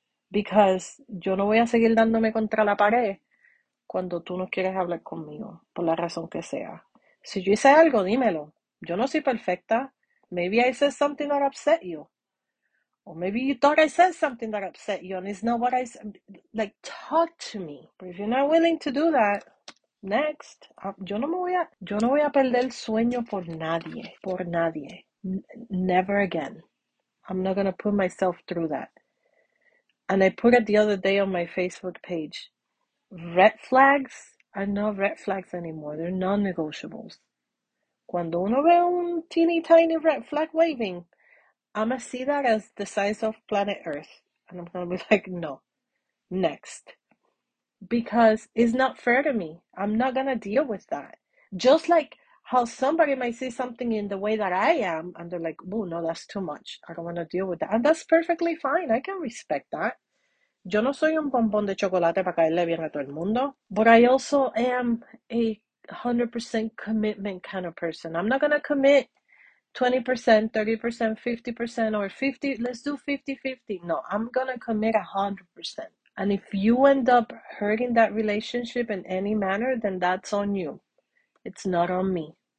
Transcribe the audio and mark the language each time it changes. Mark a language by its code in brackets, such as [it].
[en] Because [es] yo no voy a seguir dándome contra la pared cuando tú no quieres hablar conmigo, por la razón que sea. Si yo hice algo, dímelo. Yo no soy perfecta. [en] Maybe I said something that upset you. Or maybe you thought I said something that upset you and it's not what I said. Like, talk to me. But if you're not willing to do that, next. [es] Yo no voy a perder sueño por nadie. Por nadie. [en] Never again. I'm not gonna put myself through that. And I put it the other day on my Facebook page. Red flags are not red flags anymore. They're non-negotiables. [es] Cuando uno ve un [en] teeny tiny red flag waving, I'm gonna see that as the size of planet Earth. And I'm gonna be like, no, next. Because it's not fair to me. I'm not gonna deal with that. Just like how somebody might see something in the way that I am, and they're like, oh, no, that's too much. I don't wanna deal with that. And that's perfectly fine. I can respect that. [es] Yo no soy un bombón de chocolate para caerle bien a todo el mundo. [en] But I also am a 100% commitment kind of person. I'm not gonna commit 20%, 30%, 50%, or 50, let's do 50-50. No, I'm gonna commit 100%. And if you end up hurting that relationship in any manner, then that's on you. It's not on me.